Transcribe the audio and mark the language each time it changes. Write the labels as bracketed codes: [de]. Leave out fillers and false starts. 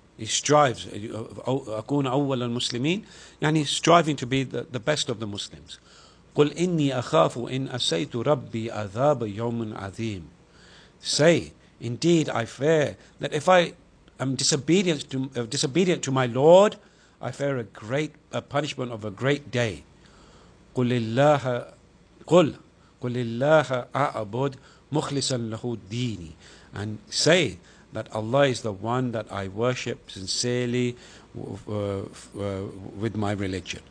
[en] He strives, [ar] أكون أول المسلمين, يعني [en] striving to be the best of the Muslims. [ar] قل إني أخاف إن أسيت ربي أذاب يوم عظيم. [en] Say, indeed I fear that if I am disobedient to my Lord, I fear a great a punishment of a great day. [ar] قل الله قل قل الله أعبد مخلصا له ديني, [en] and say that Allah is the one that I worship sincerely with my religion.